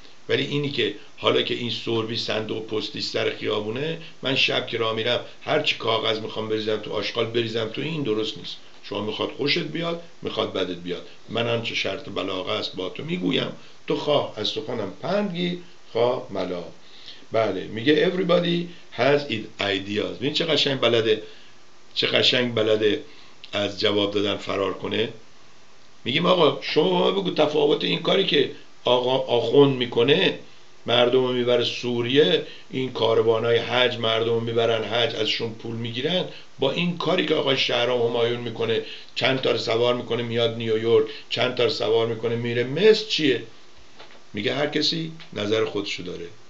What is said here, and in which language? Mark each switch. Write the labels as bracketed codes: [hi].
[fa] ولی اینی که حالا که این سوربی صندوق پستی سر خیابونه، من شب که راه میرم هر چی کاغذ میخوام بریزم تو آشغال بریزم تو، این درست نیست. شما میخواد خوشت بیاد، میخواد بدت بیاد، من آنچه شرط بلاغه است با تو میگویم، تو خواه از سخنم پند گیر، خواه ملا. [en] بله، میگه everybody has its ideas. [fa] ببین چه قشنگ بلده، چه قشنگ بلده از جواب دادن فرار کنه. میگیم آقا شما با ما بگو تفاوت این کاری که آقا آخوند میکنه، مردم رو میبره سوریه، این کاروانای حج مردم رو میبرن حج، ازشون پول میگیرن، با این کاری که آقای شهرام همایون میکنه، چند تار سوار میکنه میاد نیویورک، چند تار سوار میکنه میره مصر، چیه؟ میگه هر کسی نظر خودشو داره.